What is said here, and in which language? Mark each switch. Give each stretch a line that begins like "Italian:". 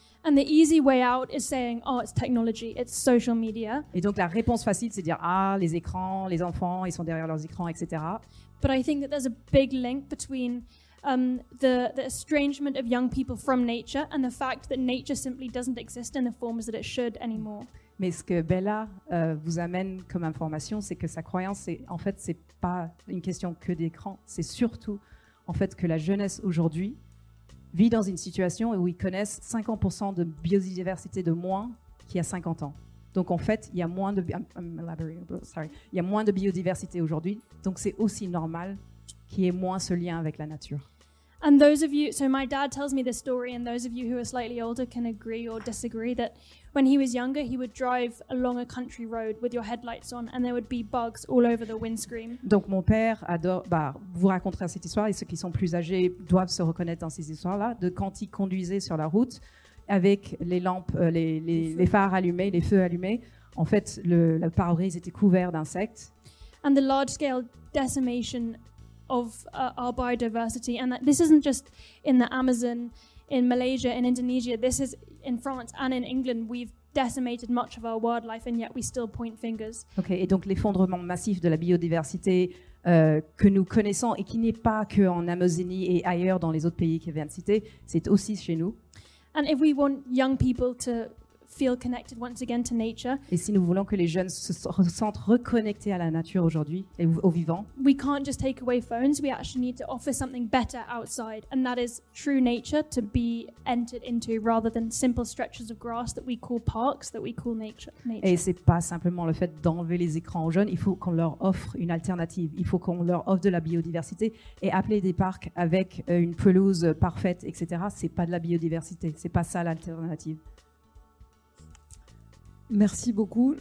English: And the easy way out is saying, oh, it's technology, it's social media.
French: Et donc la réponse facile, c'est de dire, ah, les écrans, les enfants, ils sont derrière leurs écrans, etc.
English: But I think that there's a big link between the estrangement of young people from nature and the fact that nature simply doesn't exist in the forms that it should anymore.
French: Mais ce que Bella vous amène comme information, c'est que sa croyance, c'est, en fait, c'est pas une question que d'écran, c'est surtout, en fait, que la jeunesse aujourd'hui vit dans une situation où ils connaissent 50% de biodiversité de moins qu'il y a 50 ans. Donc en fait, il y a moins de il y a moins de biodiversité aujourd'hui. Donc c'est aussi normal qu'il y ait moins ce lien avec la nature.
English: And those of you, so my dad tells me this story, and those of you who are slightly older can agree or disagree that when he was younger, he would drive along a country road with your headlights on, and there would be bugs all over the windscreen.
French: Donc mon père adore, vous raconter cette histoire, et ceux qui sont plus âgés doivent se reconnaître dans ces histoires-là, de quand il conduisait sur la route avec les lampes, les phares allumés, les feux allumés. En fait, le pare-brise était couvert d'insectes.
English: And the large-scale decimation of our biodiversity, and that this isn't just in the Amazon, in Malaysia, in Indonesia, this is in France and in England, we've decimated much of our wildlife and yet we still point fingers.
French: Ok, et donc l'effondrement massif de la biodiversité que nous connaissons et qui n'est pas que en Amazonie et ailleurs dans les autres pays qu'il vient de citer, c'est aussi chez nous.
English: And if we want young people to feel connected once again to nature.
French: Et si nous voulons que les jeunes se sentent reconnectés à la nature aujourd'hui et au vivant.
English: We can't just take away phones, we actually need to offer something better outside, and that is true nature to be entered into rather than simple stretches of grass that we call parks, that we call nature.
French: Et c'est pas simplement le fait d'enlever les écrans aux jeunes, il faut qu'on leur offre une alternative, il faut qu'on leur offre de la biodiversité, et appeler des parcs avec une pelouse parfaite, etc., c'est pas de la biodiversité, c'est pas ça l'alternative. Merci beaucoup.